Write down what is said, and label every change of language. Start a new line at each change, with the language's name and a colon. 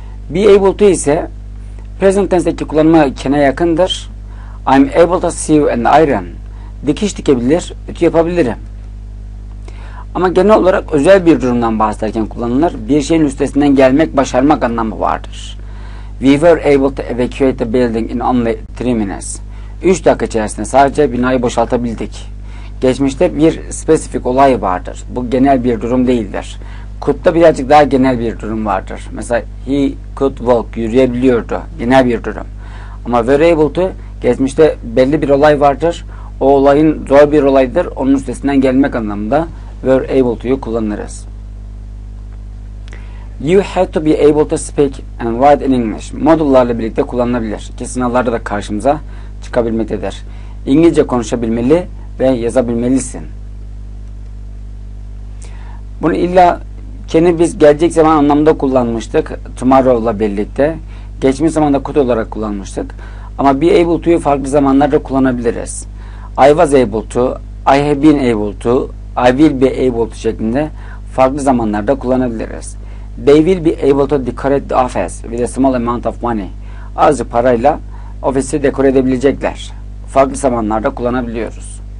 Turkish: Be able to ise present tense'deki kullanımı can'a yakındır.
English: I'm able to sew and iron.
Turkish: Dikiş dikebilir, ütü yapabilirim. Ama genel olarak özel bir durumdan bahsederken kullanılır. Bir şeyin üstesinden gelmek, başarmak anlamı vardır.
English: We were able to evacuate the building in only 3 minutes.
Turkish: 3 dakika içerisinde sadece binayı boşaltabildik. Geçmişte bir spesifik olay vardır. Bu genel bir durum değildir. Could'da birazcık daha genel bir durum vardır. Mesela
English: he could walk,
Turkish: yürüyebiliyordu. Genel bir durum. Ama were able to, geçmişte belli bir olay vardır. O olayın zor bir olaydır. Onun üstesinden gelmek anlamında were able to'yu kullanırız.
English: You have to be able to speak and write in English.
Turkish: Modüllerle birlikte kullanılabilir. Ki sınavlarda da karşımıza çıkabilmektedir. İngilizce konuşabilmeli ve yazabilmelisin. Bunu illa can'i biz gelecek zaman anlamında kullanmıştık. Tomorrow'la birlikte. Geçmiş zamanda could olarak kullanmıştık. Ama be able to'yu farklı zamanlarda kullanabiliriz.
English: I was able to, I have been able to, I will be able to
Turkish: şeklinde farklı zamanlarda kullanabiliriz.
English: They will be able to decorate the office with a small amount of money.
Turkish: Azıcık parayla ofisi dekore edebilecekler. Farklı zamanlarda kullanabiliyoruz.